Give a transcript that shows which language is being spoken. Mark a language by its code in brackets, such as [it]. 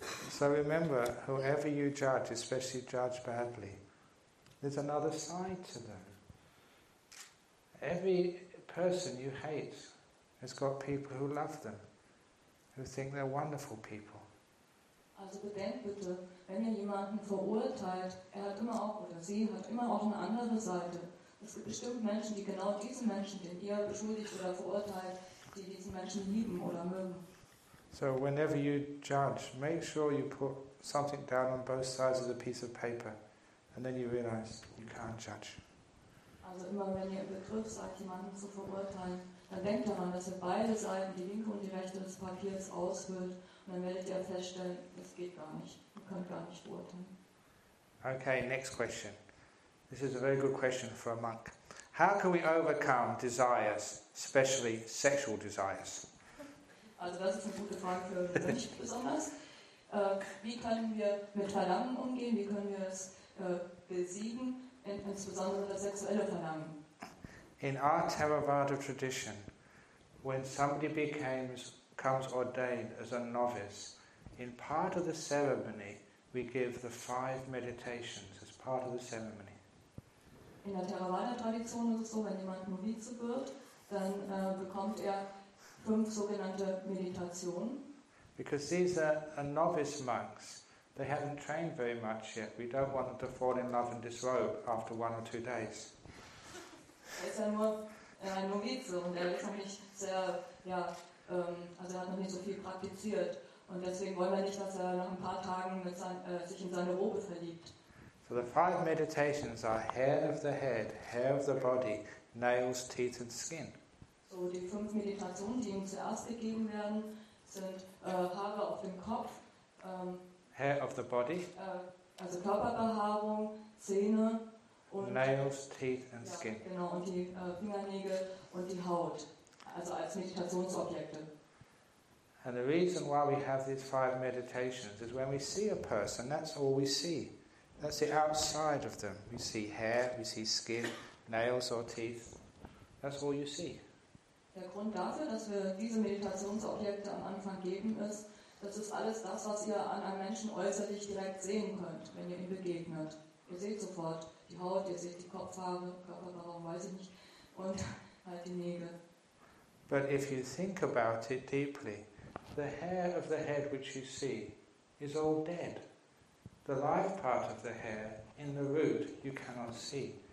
[en] So remember, whoever you judge, especially judge badly, there's another side to them. Every person you hate has got people who love them, who think they're wonderful people. [de] Also bedenkt bitte, wenn ihr jemanden verurteilt, er hat immer auch, oder sie hat immer auch eine andere Seite. Es gibt bestimmt Menschen, die genau diesen Menschen, den ihr beschuldigt oder verurteilt, die diesen Menschen lieben oder mögen. [en] So whenever you judge, make sure you put something down on both sides of the piece of paper, and then you realize you can't judge. [de] Also immer wenn ihr im Begriff seid, jemanden zu verurteilen, dann denkt daran, dass ihr beide Seiten, die linke und die rechte des Papiers, ausfüllt. Dann werdet ihr feststellen, das geht gar nicht. Ihr könnt gar nicht beurteilen. [en] Okay, next question. This is a very good question for a monk. How can we overcome desires, especially sexual desires? [de] Also das ist eine gute Frage für mich besonders. Wie können wir mit Verlangen umgehen? Wie können wir es besiegen? Insbesondere das sexuelle Verlangen. [en] In our Theravada tradition, when somebody becomes ordained as a novice, in part of the ceremony, we give the five meditations as part of the ceremony. [de] In der Theravada-Tradition ist es so, wenn jemand Novize wird, dann bekommt er fünf sogenannte Meditationen. [en] Because these are novice monks, they haven't trained very much yet. We don't want them to fall in love and disrobe after one or two days. [de] Er ist ja nur ein Novize und er ist noch nicht sehr, ja, also er hat noch nicht so viel praktiziert. Und deswegen wollen wir nicht, dass er nach ein paar Tagen sich in seine Robe verliebt. [en] So the five meditations are hair of the head, hair of the body, nails, teeth and skin. [de] So die fünf Meditationen, die ihm zuerst gegeben werden, sind Haare auf dem Kopf, [en] hair of the body, [de] also Körperbehaarung, Zähne, und [en] nails, teeth and skin. [de] Ja, genau, und die Fingernägel und die Haut, also als Meditationsobjekte. [en] And the reason why we have these five meditations is when we see a person, that's all we see. That's the outside of them. We see hair, we see skin, nails or teeth. That's all you see. [de] Der Grund dafür, dass wir diese Meditationsobjekte am Anfang geben, ist, das ist alles das, was ihr an einem Menschen äußerlich direkt sehen könnt, wenn ihr ihm begegnet. Ihr seht sofort die Haut, ihr seht die Kopfhaare, Körperbehaarung, weiß ich nicht, und halt die Nägel. [en] But if you think about it deeply, the hair of the head which you see is all dead. The life part of the hair in the root you cannot see.